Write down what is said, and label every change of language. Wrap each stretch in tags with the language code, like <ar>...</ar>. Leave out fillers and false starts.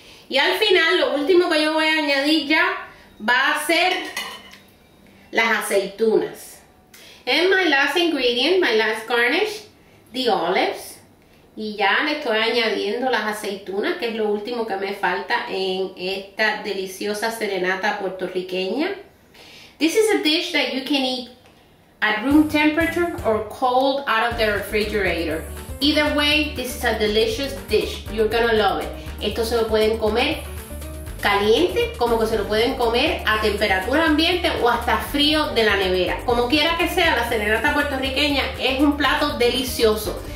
<es>Y al final, lo último que yo voy a añadir ya va a ser las aceitunas.</es> <en>And my last ingredient, my last garnish, the olives.</en> <es>Y ya le estoy añadiendo las aceitunas, que es lo último que me falta en esta deliciosa serenata puertorriqueña.</es> <en>This is a dish that you can eat at room temperature or cold out of the refrigerator. Either way, this is a delicious dish. You're gonna love it.</en> <es>Esto se lo pueden comer caliente, como que se lo pueden comer a temperatura ambiente o hasta frío de la nevera. Como quiera que sea, la serenata puertorriqueña es un plato delicioso.</es>